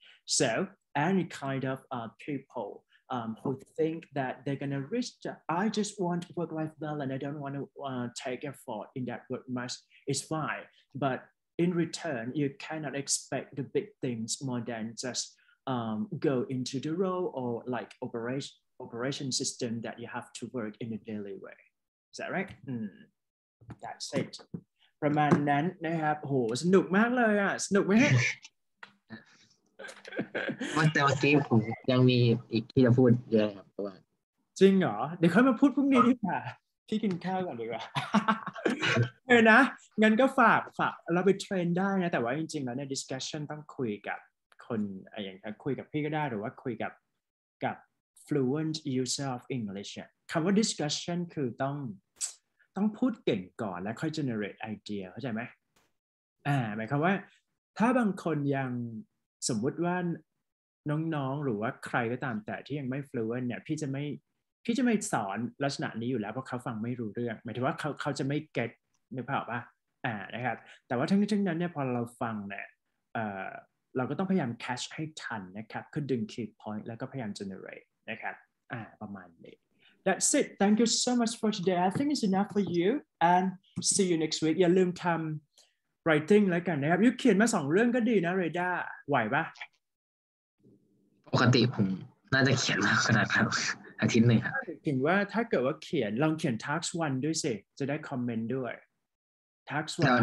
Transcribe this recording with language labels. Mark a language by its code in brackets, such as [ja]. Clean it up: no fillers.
[en] So any kind of people who think that they're gonna reach that, I just want work-life balance, I don't want to take effort in that work much, it's fine. But in return, you cannot expect the big things more than just go into the role or like operation system that you have to work in a daily way. Is that right? Mm. That's it. [th] ประมาณนั้นนะครับโหสนุกมากเลยอ่ะสนุกไหม ว่าแต่เมื่อกี้ผมยังมีอีกที่จะพูดเยอะครับว่า จริงเหรอเดี๋ยวค่อยมาพูดพรุ่งนี้ดีกว่าพี่กินข้าวก่อนดีกว่าเออนะงั้นก็ฝากเราไปเทรนได้นะแต่ว่าจริงๆแล้วใน discussion ต้องคุยกับคนอย่างคุยกับพี่ก็ได้หรือว่าคุยกับ [en] fluent user of English [th] คำว่า discussion คือต้องพูดเก่งก่อนแล้วค่อย [en] generate idea [th] เข้าใจไหมหมายความว่าถ้าบางคนยังสมมุติว่า น้องๆหรือว่าใครก็ตามแต่ที่ยังไม่ fluent เนี่ยพี่จะไม่สอนลักษณะนี้อยู่แล้วเพราะเขาฟังไม่รู้เรื่องหมายถึงว่าเขาจะไม่ get นึกภาพป่ะนะครับแต่ว่าทั้งนั้นเนี่ยพอเราฟังเนี่ยเราก็ต้องพยายาม catch ให้ทันนะครับคือดึง key point แล้วก็พยายาม generate นะครับประมาณนี้ [en] That's it. Thank you so much for today. I think it's enough for you. And see you next week. [th] อย่าลืมทำ writing แล้วกันนะครับ You เขียนมาสองเรื่องก็ดีนะเรด้าไหวป่ะ ปกติผมน่าจะเขียนมาขนาดครับอาทิตย์หนึ่งครับ ถึงว่าถ้าเกิดว่าเขียนลองเขียน task one ด้วยสิจะได้ comment ด้วย task one